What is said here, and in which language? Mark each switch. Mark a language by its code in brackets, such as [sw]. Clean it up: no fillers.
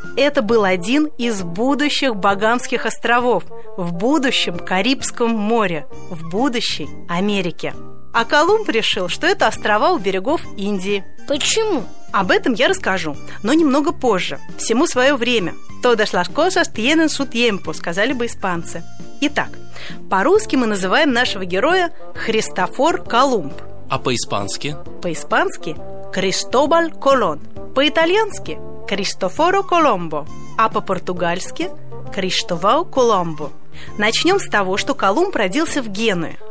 [ru] Это был один из будущих Багамских островов в будущем Карибском море, в будущей Америке. А Колумб решил, что это острова у берегов Индии. Почему? Об этом я расскажу, но немного позже. Всему свое время. [es] Todas las cosas tienen su tiempo, [ru] сказали бы испанцы. Итак, по-русски мы называем нашего героя Христофор Колумб. А по-испански? По-испански Кристобал Колон. По-итальянски Кристофоро Коломбо. А по-португальски Криштовау Коломбо. Начнем с того, что Колумб родился в Генуе.